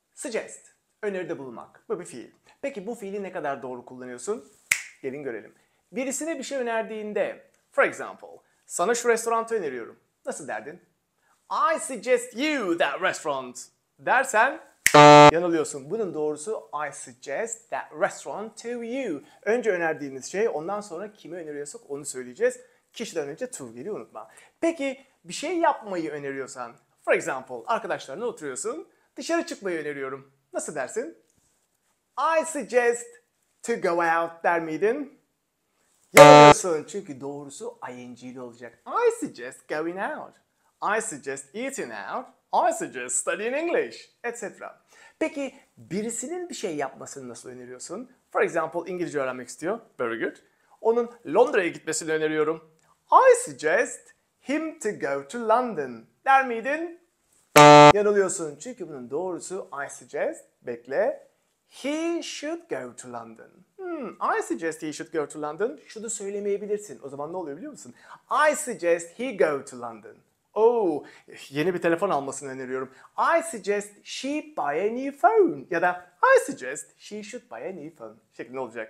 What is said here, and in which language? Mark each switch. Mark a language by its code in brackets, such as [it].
[tr] Suggest, öneride bulunmak. Bu bir fiil. Peki bu fiili ne kadar doğru kullanıyorsun? Gelin görelim. Birisine bir şey önerdiğinde, [en] for example, [tr] sana şu restoranı öneriyorum. Nasıl derdin? [en] I suggest you that restaurant. [tr] Dersen yanılıyorsun. Bunun doğrusu [en] I suggest that restaurant to you. [tr] Önce önerdiğiniz şey, ondan sonra kimi öneriyorsak onu söyleyeceğiz. Kişiden önce to geliyor, unutma. Peki bir şey yapmayı öneriyorsan, [en] for example, [tr] arkadaşlarına oturuyorsun, dışarı çıkmayı öneriyorum. Nasıl dersin? [en] I suggest to go out [tr] der miydin? Yanılıyorsun, çünkü doğrusu ing'li olacak. [en] I suggest going out. I suggest eating out. I suggest studying English, etc. [tr] Peki birisinin bir şey yapmasını nasıl öneriyorsun? [en] For example, [tr] İngilizce öğrenmek istiyor. [en] Very good. [tr] Onun Londra'ya gitmesini öneriyorum. [en] I suggest him to go to London [tr] der miydin? Yanılıyorsun, çünkü bunun doğrusu [en] I suggest, [tr] bekle, [en] he should go to London. I suggest he should go to London. [tr] Şunu söylemeyebilirsin. O zaman ne oluyor biliyor musun? [en] I suggest he go to London. [tr] Oh, yeni bir telefon almasını öneriyorum. [en] I suggest she buy a new phone. [tr] Ya da [en] I suggest she should buy a new phone. [tr] Şekli ne olacak?